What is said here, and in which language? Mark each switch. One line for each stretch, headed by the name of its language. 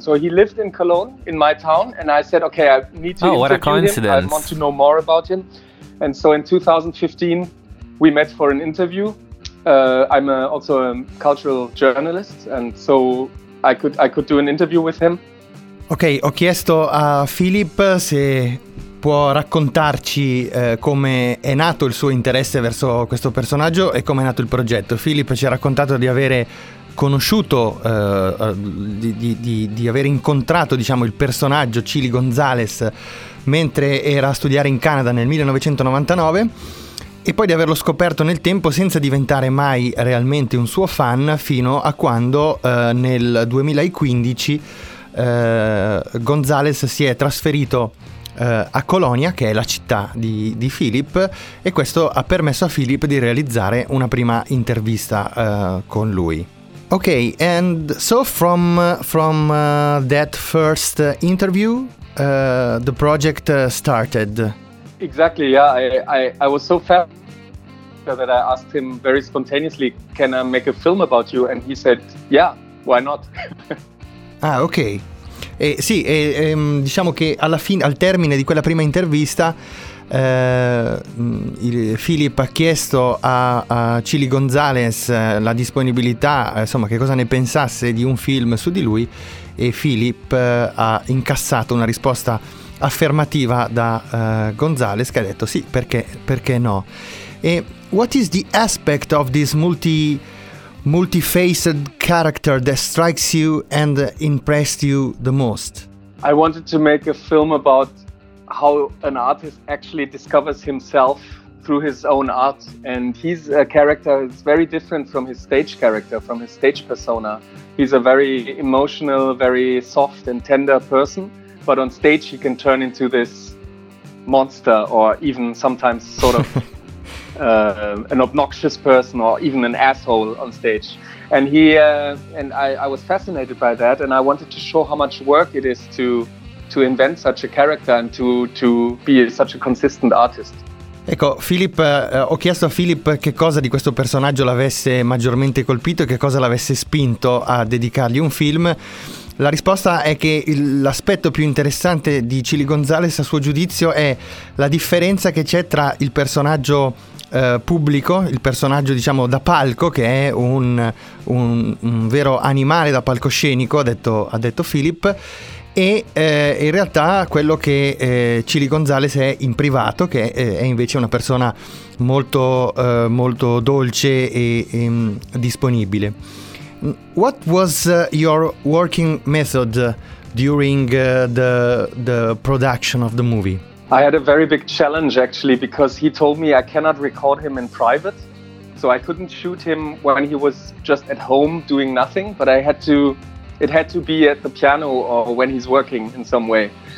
English: So he lived in Cologne, in my town. And I said, okay, I need to interview him. I want to know more about him. And so in 2015, we met for an interview. I'm also a cultural journalist, and so I could do an interview with him.
Italian: Ok, ho chiesto a Filip se può raccontarci come è nato il suo interesse verso questo personaggio e come è nato il progetto. Filip ci ha raccontato di avere conosciuto, di aver incontrato, diciamo, il personaggio Chilly Gonzalez mentre era a studiare in Canada nel 1999, e poi di averlo scoperto nel tempo senza diventare mai realmente un suo fan, fino a quando nel 2015 Gonzalez si è trasferito a Colonia, che è la città di Filip, e questo ha permesso a Filip di realizzare una prima intervista con lui.
English: Ok, and so from that first interview the project started. Exactly, yeah. I was so director that I asked him very spontaneously, can I make a film about you? And he said, yeah, why not? Ah, ok.
Italian: Sì, diciamo che alla fine, al termine di quella prima intervista, Philip ha chiesto a Chilly Gonzalez la disponibilità, insomma, che cosa ne pensasse di un film su di lui, e Philip ha incassato una risposta affermativa da Gonzalez, che ha detto sì, perché no.
English: E what is the aspect of this multi-faced character that strikes you and impressed you the most? I wanted to make a film about how an artist actually discovers himself through his own art, and he's a character that's very different from his stage character, from his stage persona. He's a very emotional, very soft and tender person, but on stage he can turn into this monster, or even sometimes sort of an obnoxious person, or even an asshole on stage. And he and I was fascinated by that, and I wanted to show how much work it is to invent such a character and to be such a consistent artist.
Italian: Ecco, Philip, ho chiesto a Philip che cosa di questo personaggio l'avesse maggiormente colpito e che cosa l'avesse spinto a dedicargli un film. La risposta è che l'aspetto più interessante di Chilly Gonzalez, a suo giudizio, è la differenza che c'è tra il personaggio pubblico, il personaggio, diciamo, da palco, che è un vero animale da palcoscenico, ha detto Philip, e in realtà quello che Chilly Gonzalez è in privato, che è invece una persona molto molto dolce e disponibile.
English: What was your working method during the production of the movie? I had a very big challenge, actually, because he told me I cannot record him in private. So I couldn't shoot him when he was just at home doing nothing, but it had to be at the piano or when he's working in some way.